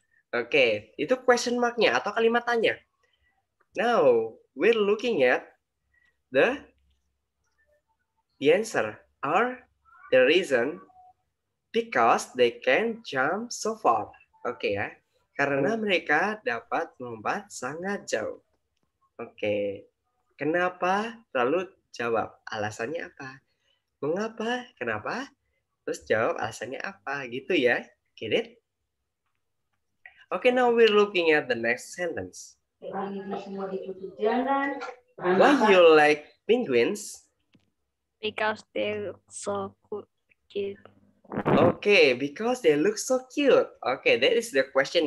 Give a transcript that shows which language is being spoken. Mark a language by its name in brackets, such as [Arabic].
[Indonesian] Oke, okay, itu question marknya atau kalimat tanya. [English] Now we're looking at the answer are the reason because they can jump so far. Oke, okay, ya. [Indonesian] Karena mereka dapat melompat sangat jauh. Oke. Okay. Kenapa? Lalu jawab alasannya apa? Mengapa? Kenapa? Terus jawab alasannya apa? Gitu ya. [English] Get it? Oke, okay, now we're looking at the next sentence. Why you like penguins? Because they look so cute. Okay, because they look so cute. Okay, that is the question.